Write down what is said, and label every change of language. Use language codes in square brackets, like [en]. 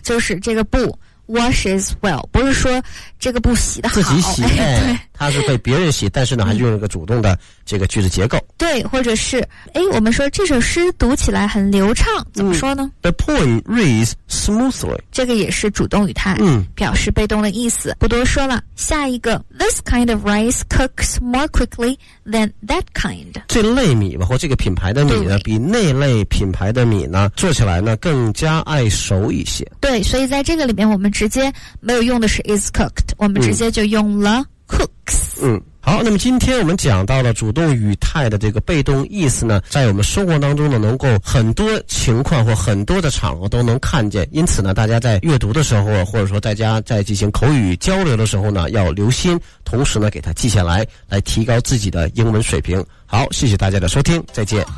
[zh] 就是这个布 [en] washes well, [zh] 不是说这个布洗得好自己洗、哎、对，它是被别人洗，但是呢还是用一个主动的这个句子结构。对，或者是哎，我们说这首诗读起来很流畅，怎么说呢、 [en] 嗯、The poem reads smoothly, [zh] 这个也是主动语态，嗯，表示被动的意思，不多说了。下一个 [en] This kind of rice cooks more quickly than that kind, [zh] 这类米吧，或这个品牌的米呢，比那类品牌的米呢做起来呢更加爱熟一些。对，所以在这个里面我们直接没有用的是 [en] is cooked, [zh] 我们直接就用了、嗯 [en] Cooks. [zh] 嗯，好，那么今天我们讲到了主动语态的这个被动意思呢，在我们生活当中呢能够很多情况或很多的场合都能看见，因此呢大家在阅读的时候或者说大家在进行口语交流的时候呢要留心，同时呢给它记下来，来提高自己的英文水平。好，谢谢大家的收听，再见，